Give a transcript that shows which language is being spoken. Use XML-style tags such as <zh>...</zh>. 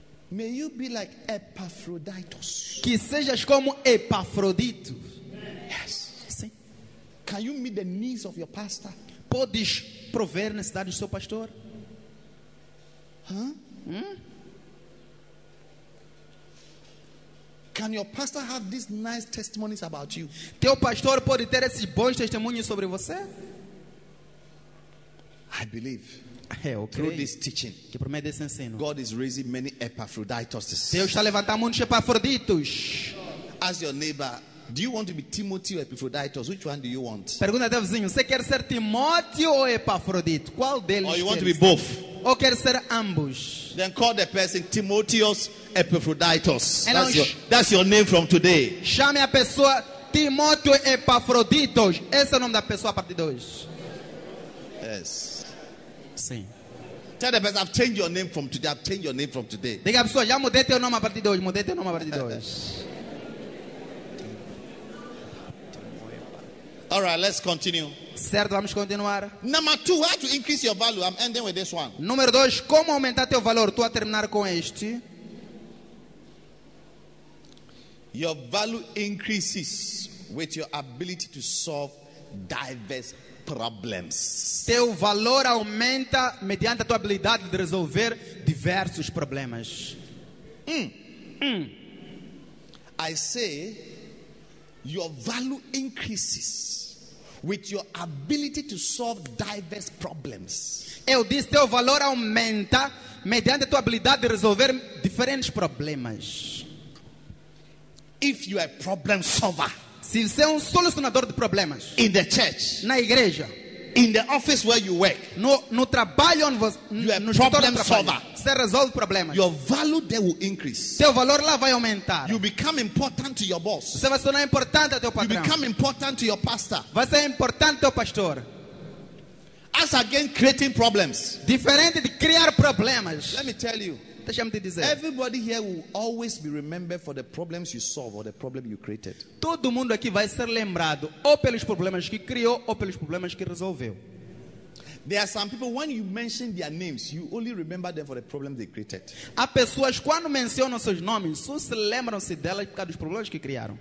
<en>May you be like Epaphroditus.</en> <pt>Que sejas como Epafrodito.</pt> <en>Yes.</en> <pt>Sim.</pt> <en>Can you meet the needs of your pastor?</en> <pt>Podes prover a necessidade do seu pastor? Huh?</pt> <en>Can your pastor have these nice testimonies about you?</en> <pt>Teu pastor pode ter esses bons testemunhos sobre você?</pt> <en>I believe.</en> <pt>Eu</pt> <en>through this teaching,</en> <pt>que por meio desse ensino,</pt> <en>God is raising many Epaphroditus.</en> <pt>Deus está levantando muitos Epafroditos.</pt> <en>Ask your neighbor, do you want to be Timothy or Epaphroditus? Which one do you want?</en> <pt>Pergunta teu vizinho, você quer ser Timóteo ou Epafrodito? Qual deles?</pt> <en>Or you want to be both?</en> <pt>Ou quer ser ambos?</pt> <en>Then call the person Timotheus Epaphroditus. That's your name from today.</en> <pt>Chame a pessoa Timóteo Epafroditos. Esse é o nome da pessoa a partir de hoje.</pt> <en>Yes.</en> <pt>Sim.</pt> <en>Tell the person, I've changed your name from today. I've changed your name from today.</en> <pt>Diga a pessoa, já mudei teu nome a partir de hoje. Mudei teu nome a partir de hoje.</pt> <en>All right, let's continue.</en> <pt>Certo, vamos continuar.</pt> <en>Number two, how to increase your value? I'm ending with this one.</en> <pt>Número dois, como aumentar teu valor? Tu a terminar com este.</pt> <en>Your value increases with your ability to solve diverse problems.</en> <pt>Teu valor aumenta mediante a tua habilidade de resolver diversos problemas.</pt> <en>I say your value increases with your ability to solve diverse problems.</en> <pt>Eu disse teu valor aumenta mediante a tua habilidade de resolver diferentes problemas.</pt> <en>If you are a problem solver,</en> <pt>se você é solucionador de problemas,</pt> <en>in the church,</en> <pt>na igreja,</pt> <en>in the office where you work,</en> <pt>no trabalho onde você,</pt> <en>you are a problem solver,</en> <pt>você resolve problemas.</pt> <en>Your value there will increase.</en> <pt>Seu valor lá vai aumentar.</pt> <en>You become important to your boss.</en> <pt>Você vai se tornar importante ao teu patrão.</pt> <en>You become important to your pastor.</en> <pt>Vai ser importante ao pastor.</pt> <en>As again creating problems.</en> <pt>Diferente de criar problemas.</pt> <en>Let me tell you.</en> <pt>Deixa-me te dizer.</pt> <en>Everybody here will always be remembered for the problems you solve or the problem you created.</en> <pt>Todo mundo aqui vai ser lembrado ou pelos problemas que criou ou pelos problemas que resolveu.</pt> <en>There are some people when you mention their names, you only remember them for the problem they created.</en> <pt>Há pessoas quando mencionam seus nomes, só se lembram se delas por causa dos problemas que criaram.</pt>